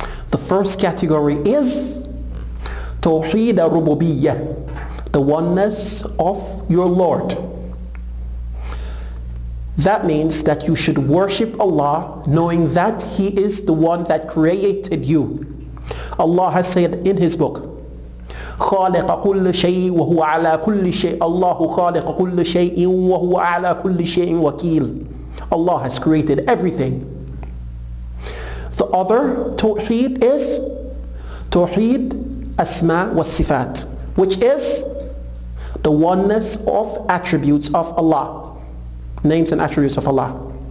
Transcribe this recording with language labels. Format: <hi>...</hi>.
<en>The first category is Tawheed al-Rububiyyah, the oneness of your Lord. That means that you should worship Allah knowing that He is the one that created you. Allah has said in His book,</en> <ar>خالق كل شيء وهو على كل شيء. الله خالق كل شيء وهو على كل شيء وكيل.</ar> <en>Allah has created everything. The other Tawheed is Tawheed Asma wa Sifat, which is the oneness of attributes of Allah, names and attributes of Allah.</en>